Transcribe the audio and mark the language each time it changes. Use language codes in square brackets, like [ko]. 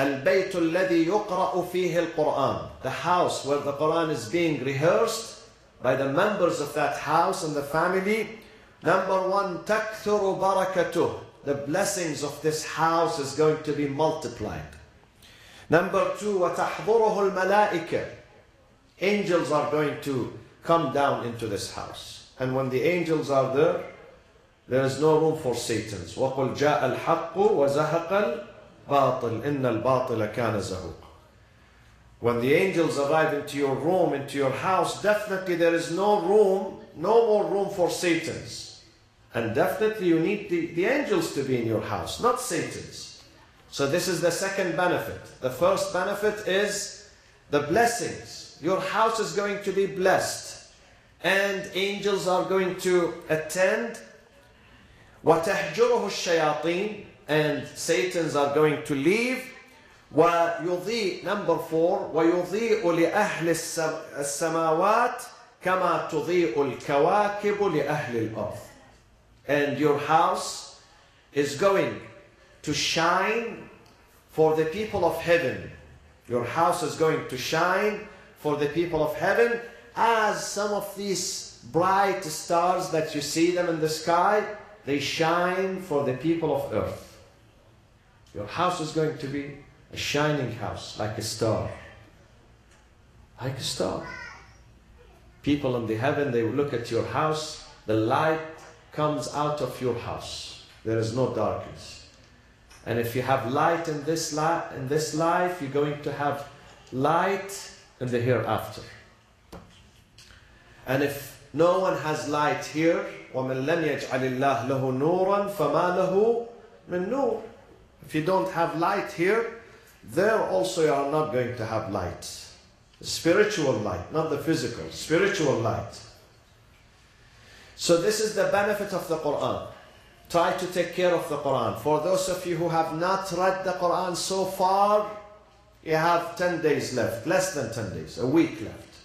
[ar] البيت الذي يقرأ فيه القرآن. [en] The house where the Quran is being rehearsed by the members of that house and the family. Number one, [ar] تكثر بركته. [en] The blessings of this house is going to be multiplied. Number two, [ar] وتحضره الملائكة. [en] Angels are going to come down into this house. And when the angels are there, there is no room for Satan's. [ar] وَقُلْ جَاءَ الْحَقُّ وَزَهَقَ الْبَاطِلِ إِنَّ الْبَاطِلَ كَانَ زَهُقًا. [en] When the angels arrive into your room, into your house, definitely there is no room, no more room for Satan's. And definitely you need the angels to be in your house, not Satan's. So this is the second benefit. The first benefit is the blessings. Your house is going to be blessed. And angels are going to attend. [ar] وَتَحْجُرُهُ الشَّيَاطِينَ. [en] And Satans are going to leave. وَيُضِيءُ. Number four. [ar] وَيُضِيءُ لِأَهْلِ السَّمَاوَاتِ كَمَا تُضِيءُ الْكَوَاكِبُ لِأَهْلِ الْأَرْضِ. [en] And your house is going to shine for the people of heaven. Your house is going to shine for the people of heaven as some of these bright stars that you see them in the sky, they shine for the people of earth. Your house is going to be a shining house, like a star. Like a star. People in the heaven, they look at your house, the light comes out of your house. There is no darkness. And if you have light in this life, you're going to have light in the hereafter. And if no one has light here, [ar] وَمَنْ لَمْ يَجْعَلِ اللَّهُ لَهُ نُورًا فَمَا لَهُ مِنْ نُورٍ. [en] If you don't have light here, there also you are not going to have light. Spiritual light, not the physical. Spiritual light. So this is the benefit of the Quran. Try to take care of the Quran. For those of you who have not read the Quran so far, you have 10 days left, less than 10 days, a week left.